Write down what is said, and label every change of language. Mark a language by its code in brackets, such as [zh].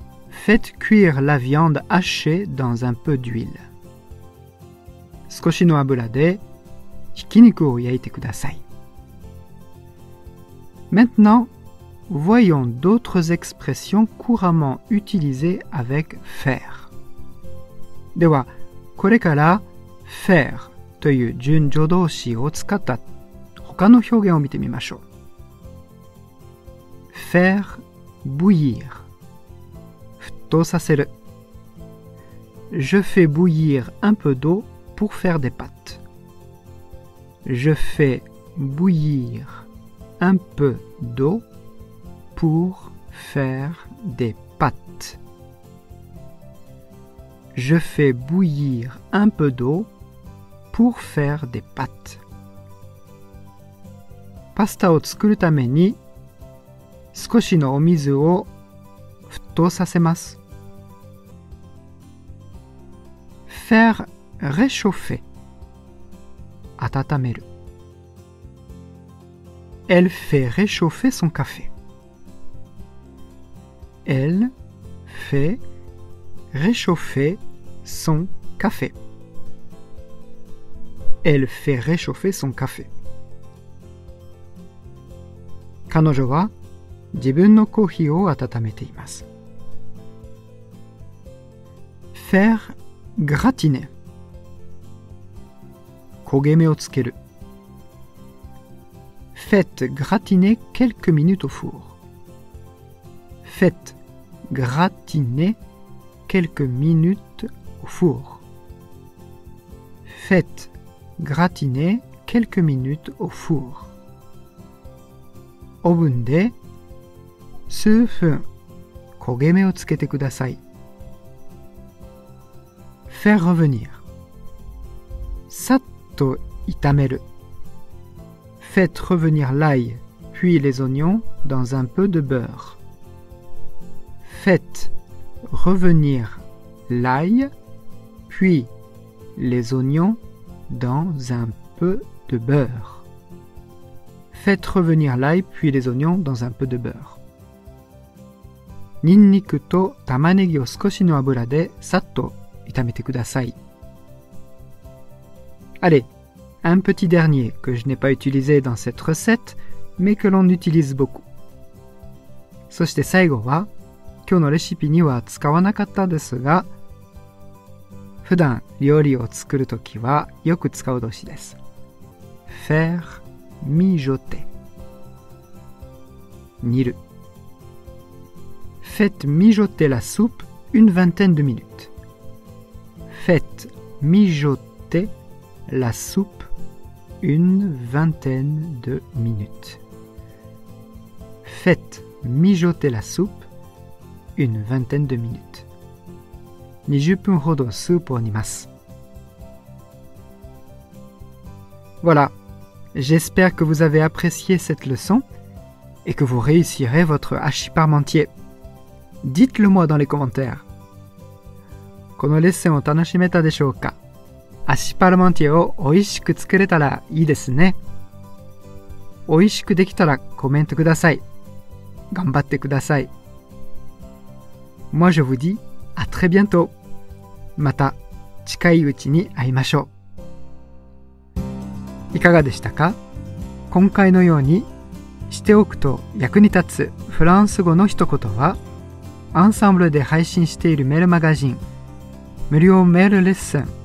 [fr] Faites cuire la viande hachée dans un peu d'huile. [ja] 少しの油でひき肉を焼いてください。 [fr] Maintenant,Voyons d'autres expressions couramment utilisées avec faire. [ja] では、これから faire という順序動詞を使った他の表現を見てみましょう。 [fr] Faire bouillir [ja] 沸騰させる。 [fr] Je fais bouillir un peu d'eau pour faire des pâtes. Je fais bouillir un peu d'eauPour faire des pâtes. Je fais bouillir un peu d'eau pour faire des pâtes. [ja] Pasta を作るために少しのお水を沸騰させます。 [fr] Faire réchauffer. [ja] 温める。 [fr] Elle fait réchauffer son café. Elle fait réchauffer son café. Elle fait réchauffer son café. [ja] 彼女は自分のコーヒーを温めています。 [fr] Faire gratiner. [ja] 焦げ目をつける。 [fr] Faites gratiner quelques minutes au four. Faites. Gratiner quelques minutes au four. Faites gratiner quelques minutes au four. [ja] オーブンで数分焦げ目をつけてください。 [fr] Faire revenir. [ja] さっと炒める。 [fr] Faites revenir l'ail puis les oignons dans un peu de beurre. Faites revenir l'ail, puis les oignons dans un peu de beurre. Faites revenir l'ail, puis les oignons dans un peu de beurre. [ja] ニンニクとタマネギを少しの油でさっと炒めてください。 [fr] Allez, un petit dernier que je n'ai pas utilisé dans cette recette, mais que l'on utilise beaucoup. [ja] そして最後は今日のレシピには使わなかったですが、普段料理を作るときはよく使う動詞です。 [fr] faire mijoter [ja] 煮る。 [fr] faites mijoter la soupe une vingtaine de minutes. faites mijoter la soupe une vingtaine de minutes. faites mijoter la soupe. Une vingtaine de minutes. [ja] 20分ほどスープを煮ます。 [fr] Voilà, j'espère que vous avez apprécié cette leçon et que vous réussirez votre hachis parmentier. Dites-le moi dans les commentaires. [ja] このレッスンを楽しめたでしょうか?ハッシュパルマンティエを美味しく作れたらいいですね。美味しくできたらコメントください。頑張ってください。 [fr] Moi je vous dis à très bientôt. [ja] また近いうちに会いましょう。いかがでしたか? 今回のようにしておくと役に立つフランス語の一言は、アンサンブルで配信しているメールマガジン、無料メールレッスン